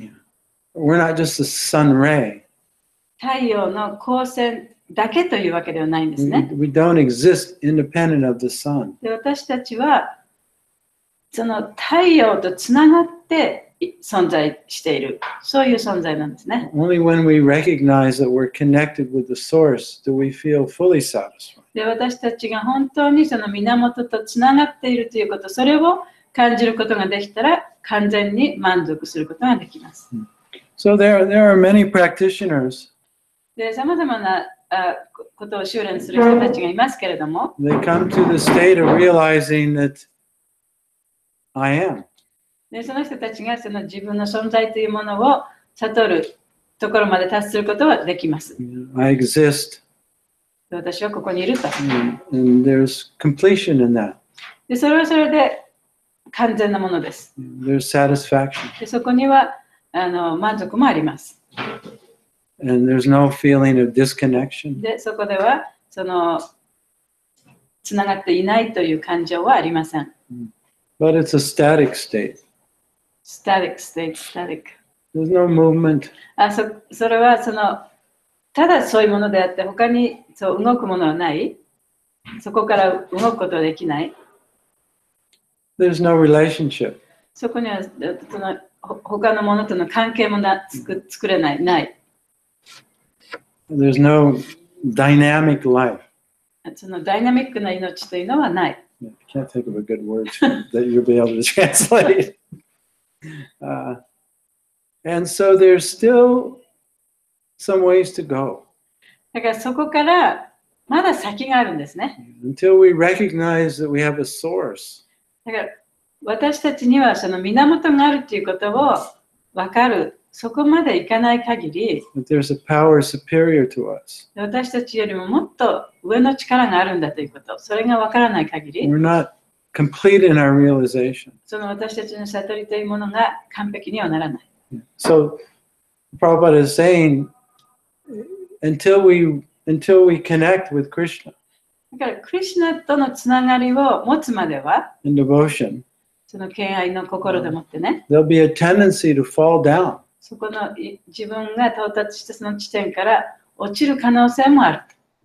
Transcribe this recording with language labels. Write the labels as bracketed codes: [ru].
[en] Yeah. We're not just a sun ray. [ja] 太陽の光線だけというわけではないんですね。 [en] We don't exist independent of the sun. [ja] で私たちはその太陽とつながって存在している。そういう存在なんですね。 [en] Only when we recognize that we're connected with the source do we feel fully satisfied. [ja] で私たちが本当にその源とつながっているということ、それを感じることができたら完全に満足することができます。 [en] So there are many practitioners. [ja] で、さまざまなことを修練する人たちがいますけれども、 [en] They come to the state of realizing that I am. [ja] で、その人たちがその自分の存在というものを悟るところまで達することはできます。 [en] I exist. [ja] 私はここにいると。 [en] And there's completion in that. [ja] で、それはそれで完全なものです。 [en] There's satisfaction. [ja] でそこにはあの満足もあります。 [en] And there's no feeling of disconnection. [ja] でそこではそのつながっていないという感情はありません。 [en] But it's a static state. Static state, static. There's no movement. [ja] それはそのただそういうものであって他にそう動くものはない。そこから動くことはできない。 [en] There's no relationship. [ja] そこにはその他のものとの関係も作れない、ない。 [en] There's no dynamic life. [ja] そのダイナミックな命というのはない。 [en] I can't think of a good word that you'll be able to translate. And so there's still some ways to go. [ja] だからそこからまだ先があるんですね。 [en] Until we recognize that we have a source. [ja] だから私たちにはその源があるということを分かる、そこまでいかない限り、 [en] There's a power superior to us. [ja] 私たちよりももっと上の力があるんだということ、それが分からない限り、 [en] We're not complete in our realization. [ja] その私たちの悟りというものが完璧にはならない。 [en] So, Prabhupada is saying, until we connect with Krishna, [ja] だからクリシュナとのつながりを持つまでは、 [en] In devotion, [ja] その敬愛の心でもってね、 [en] There'll be a tendency to fall down. [ja] そこの自分が到達したその地点から落ちる可能性もある。